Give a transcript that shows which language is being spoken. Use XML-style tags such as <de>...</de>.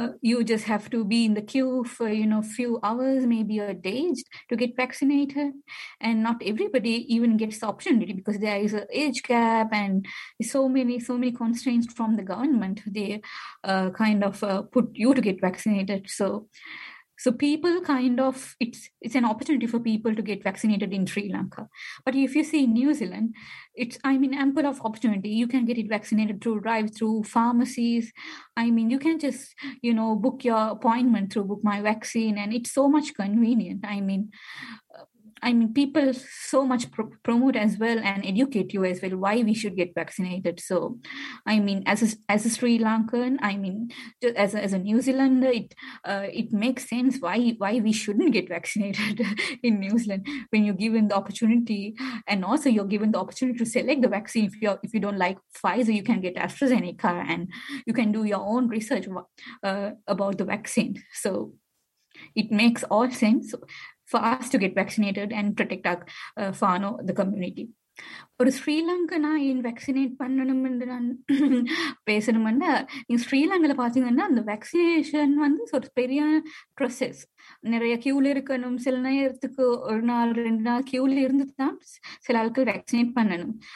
<en>You just have to be in the queue for you know few hours maybe a day to get vaccinated, and not everybody even gets opportunity because there is a age gap and so many constraints from the government. They kind of put you to get vaccinated. So people kind of, it's an opportunity for people to get vaccinated in Sri Lanka. But if you see New Zealand, it's ample of opportunity. You can get it vaccinated through drive-through, pharmacies. I mean, you can just, you know, book your appointment through Book My Vaccine. And it's so much convenient. I mean, people so much promote as well and educate you as well why we should get vaccinated. So, I mean, as a Sri Lankan, I mean, just as a New Zealander, it makes sense why we shouldn't get vaccinated in New Zealand when you're given the opportunity. And also you're given the opportunity to select the vaccine. If you don't like Pfizer, you can get AstraZeneca and you can do your own research about the vaccine. So it makes all sense for us to get vaccinated and protect our whānau, the community.</en> <ta>ஒரு ஸ்ரீலங்கனா ஏன் vaccinate பண்ணணும்னு நான் பேசணுமென்னா, இங்கே ஸ்ரீலங்கில் பார்த்தீங்கன்னா அந்த vaccination வந்து ஒரு பெரிய ப்ரொசஸ், நிறைய கியூவில் இருக்கணும். சில நேரத்துக்கு 1-2 நாள் கியூவில் இருந்து தான் சில ஆட்கள் வேக்சினேட் பண்ணணும்.</ta>